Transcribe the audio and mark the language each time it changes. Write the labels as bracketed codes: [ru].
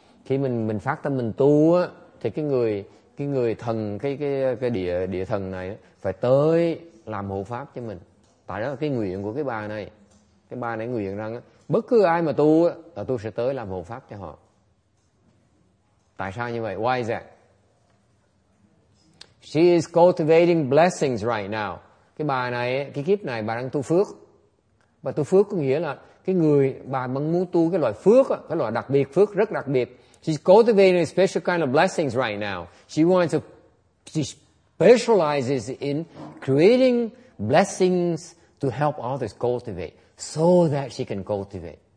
[vi] Khi mình phát tâm mình tu á, thì cái người thần cái địa thần này á, phải tới làm hộ pháp cho mình. Tại đó là cái nguyện của cái bà này nguyện rằng bất cứ ai mà tu là tôi sẽ tới làm hộ pháp cho họ. Tại sao như vậy? [en] Why is that? She is cultivating blessings right now. [vi] Cái bà này, cái kiếp này bà đang tu phước. Bà tu phước có nghĩa là cái người bà vẫn muốn tu cái loại phước, cái loại đặc biệt, phước rất đặc biệt. [en] She's cultivating a special kind of blessings right now. She wants to, she specializes in creating blessings to help others cultivate. so that she can cultivate.